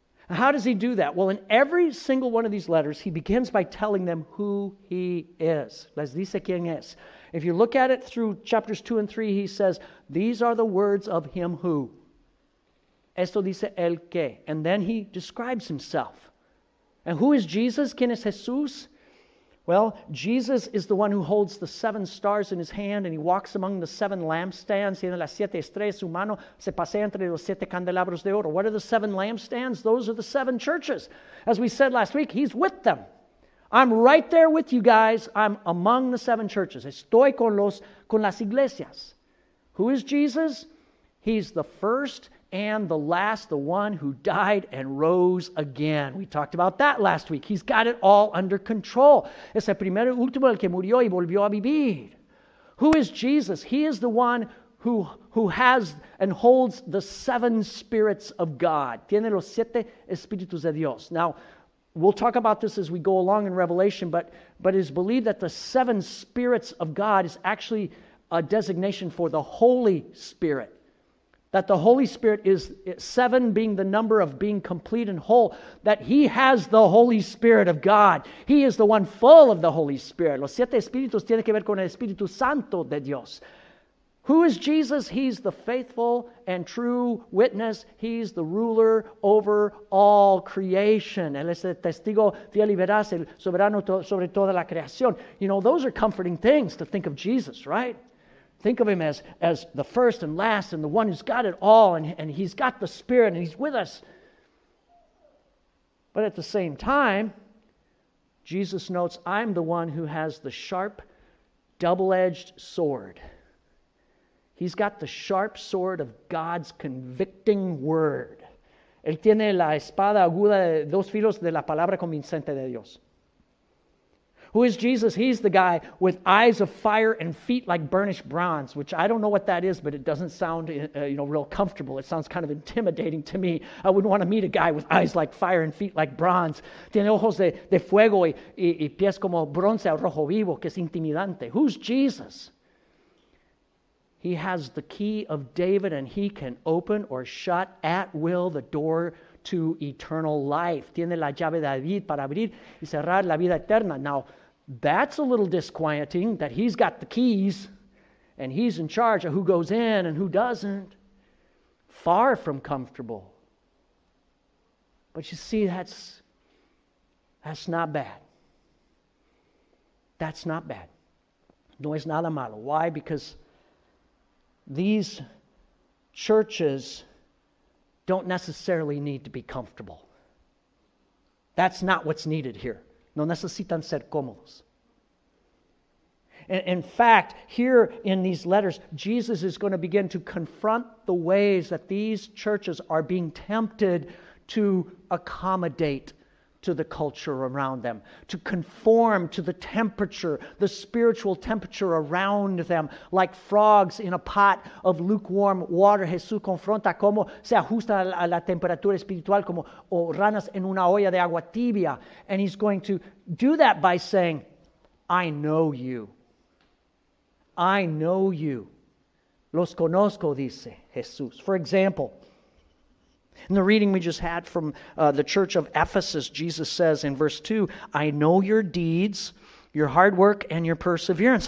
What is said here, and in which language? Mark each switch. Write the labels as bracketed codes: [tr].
[en] How does he do that? Well, in every single one of these letters, he begins by telling them who he is. [es] Les dice quién es. [en] If you look at it through chapters 2 and 3, he says, these are the words of him who. [es] Esto dice el que. [en] And then he describes himself. And who is Jesus? [es] ¿Quién es Jesús? [en] Well, Jesus is the one who holds the seven stars in his hand and he walks among the seven lampstands. [es] Tiene las siete estrellas, su mano se pasea entre los siete candelabros de oro. [en] What are the seven lampstands? Those are the seven churches. As we said last week, he's with them. I'm right there with you guys. I'm among the seven churches. [es] Estoy con las iglesias. [en] Who is Jesus? He's the first and the last, the one who died and rose again. We talked about that last week. He's got it all under control. [es] Es el primero y último el que murió y volvió a vivir. [en] Who is Jesus? He is the one who has and holds the seven spirits of God. [es] Tiene los siete espíritus de Dios. [en] Now, we'll talk about this as we go along in Revelation, but it is believed that the seven spirits of God is actually a designation for the Holy Spirit. That the Holy Spirit is seven being the number of being complete and whole. That he has the Holy Spirit of God. He is the one full of the Holy Spirit. [es] Los siete espíritus tienen que ver con el Espíritu Santo de Dios. [en] Who is Jesus? He's the faithful and true witness. He's the ruler over all creation. [es] Él es el testigo fiel y veraz, el soberano sobre toda la creación. [en] You know, those are comforting things to think of Jesus, right? Think of him as the first and last and the one who's got it all, and he's got the Spirit and he's with us. But at the same time, Jesus notes, I'm the one who has the sharp, double-edged sword. He's got the sharp sword of God's convicting word. [es] Él tiene la espada aguda de dos filos de la palabra convincente de Dios. [en] Who is Jesus? He's the guy with eyes of fire and feet like burnished bronze, which I don't know what that is, but it doesn't sound real comfortable. It sounds kind of intimidating to me. I wouldn't want to meet a guy with eyes like fire and feet like bronze. [es] Tiene ojos de fuego y pies como bronce al rojo vivo, que es intimidante. [en] Who's Jesus? He has the key of David, and he can open or shut at will the door to eternal life. [es] Tiene la llave de David para abrir y cerrar la vida eterna. [en] Now, that's a little disquieting that he's got the keys and he's in charge of who goes in and who doesn't. Far from comfortable. But you see, that's not bad. That's not bad. [es] No es nada malo. [en] Why? Because these churches don't necessarily need to be comfortable. That's not what's needed here. [es] No necesitan ser cómodos. [en] In fact, here in these letters, Jesus is going to begin to confront the ways that these churches are being tempted to accommodate to the culture around them, to conform to the temperature, the spiritual temperature around them, like frogs in a pot of lukewarm water. [es] Jesús confronta cómo se ajusta a la temperatura espiritual como o ranas en una olla de agua tibia. [en] And he's going to do that by saying, I know you. I know you. [es] Los conozco, dice Jesús. [en] For example, in the reading we just had from the church of Ephesus, Jesus says in verse 2, I know your deeds, your hard work, and your perseverance.